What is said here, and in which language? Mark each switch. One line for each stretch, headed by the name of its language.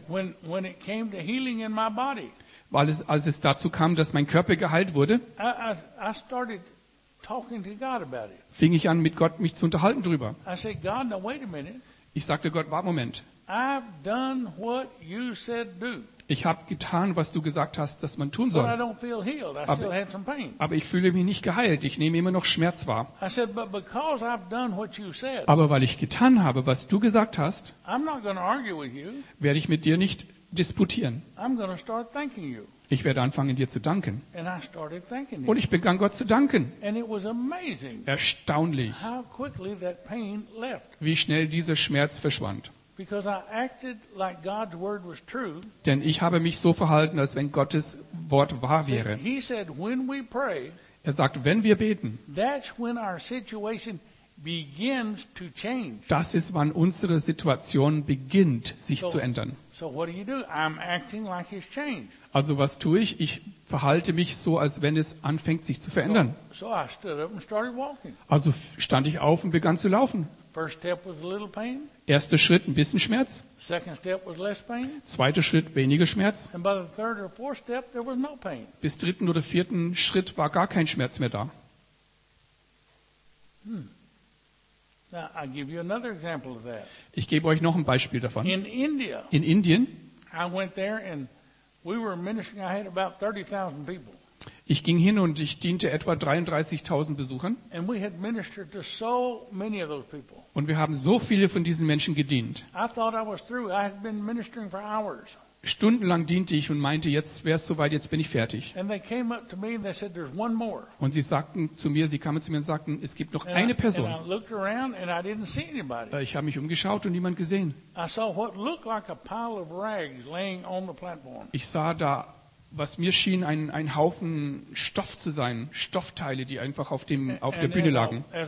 English: When it came to healing in my body,
German: weil es, als es dazu kam, dass mein Körper geheilt wurde,
English: I started talking to God about it.
German: Fing ich an, mit Gott mich zu unterhalten drüber.
English: I said, God, now wait a minute.
German: Ich sagte Gott, warte Moment.
English: I've done what you said do.
German: Ich habe getan, was du gesagt hast, dass man tun soll.
English: But I don't feel healed. I still had some pain.
German: Aber ich fühle mich nicht geheilt. Ich nehme immer noch Schmerz wahr.
English: I said, but because I've done what you said,
German: aber weil ich getan habe, was du gesagt hast,
English: I'm not gonna argue with you.
German: Werde ich mit dir nicht disputieren.
English: I'm gonna start thanking you.
German: Ich werde anfangen, dir zu danken.
English: And I started thanking you.
German: Und ich begann, Gott zu danken.
English: And it was amazing,
German: erstaunlich,
English: how quickly that pain left.
German: Wie schnell dieser Schmerz verschwand.
English: Because I acted like God's word was true.
German: Denn ich habe mich so verhalten, als wenn Gottes Wort wahr wäre.
English: He said, when we pray,
German: er sagt, wenn wir beten,
English: that's when our situation begins to change.
German: Das ist, wann unsere Situation beginnt, sich zu ändern.
English: So what do you do? I'm acting like it's changed.
German: Also was tue ich? Ich verhalte mich so, als wenn es anfängt, sich zu verändern.
English: So I stood up and started walking.
German: Also stand ich auf und begann zu laufen.
English: First step was a little pain.
German: Erster Schritt ein bisschen Schmerz.
English: Second step was less pain.
German: Zweiter Schritt weniger Schmerz.
English: And by the third or fourth step, there was no pain.
German: Bis dritten oder vierten Schritt war gar kein Schmerz mehr da.
English: Now, I give you another example of that.
German: Ich gebe euch noch ein Beispiel davon.
English: In India.
German: In Indien.
English: I went there and we were ministering. I had about 30,000 people.
German: Ich ging hin und ich diente etwa 33.000 Besuchern.
English: And we had ministered to so many of those people.
German: Und wir haben so viele von diesen Menschen gedient.
English: I thought I was through. I had been ministering for hours.
German: Stundenlang diente ich und meinte, jetzt wäre es soweit, jetzt bin ich fertig.
English: And they came up to me and they said, there's one more.
German: Und sie kamen zu mir und sagten, es gibt noch eine Person.
English: And I looked around and I didn't see anybody.
German: Ich habe mich umgeschaut und niemand gesehen.
English: I saw what looked like a pile of rags laying on the platform.
German: Ich sah da, was mir schien, ein Haufen Stoff zu sein, Stoffteile, die einfach auf der Bühne lagen.